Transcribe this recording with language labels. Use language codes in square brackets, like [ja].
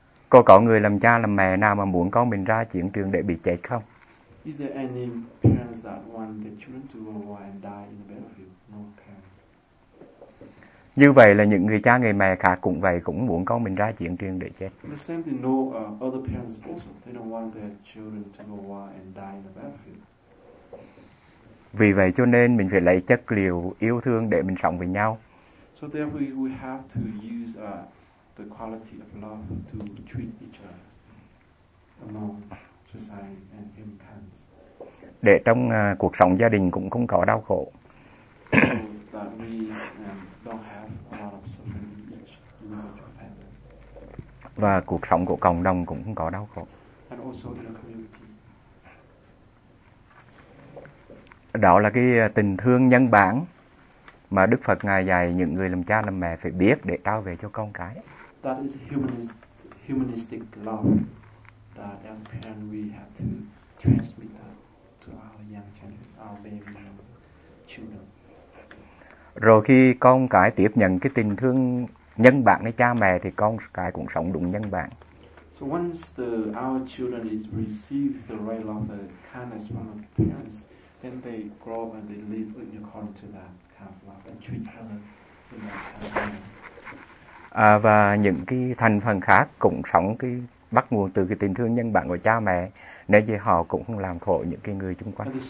[vi] Có người làm cha làm mẹ nào mà muốn con mình ra chiến trường để bị chết không? [en] Is there any parents that want their children to go away and die in the battlefield? No parents. [vi] Như vậy là những người cha người mẹ khác cũng vậy, cũng muốn con mình ra chiến trường để chết. [en] The same thing, no other parents also. They don't want their children to go war and die in the battlefield. [vi] Vì vậy cho nên mình phải lấy chất liệu yêu thương để mình sống với nhau. [en] So therefore we have to use the quality of love to treat each other among society and in parents. [vi] Để trong cuộc sống gia đình cũng không có đau khổ. [en] So that we don't have a lot of suffering in each individual family. [vi] Và cuộc sống của cộng đồng cũng không có đau khổ. [en] And also in a community. [vi] Đó là cái tình thương nhân bản mà Đức Phật Ngài dạy những người làm cha làm mẹ phải biết để trao về cho con cái. [en] That is humanistic love that as a parent we have to transmit that to our young children, our baby and children. [vi] Rồi khi con cái tiếp nhận cái tình thương nhân bản với cha mẹ thì con cái cũng sống đúng nhân bản. [en] So once our children is receive the right love, the kindness from the parents, then they grow and they live according to that kind of love and treat other in that kind of way. [vi] Và những cái thành phần khác cũng sống cái bắt nguồn từ cái tình thương nhân bản của cha mẹ, nên vì họ cũng không làm khổ những cái người xung quanh.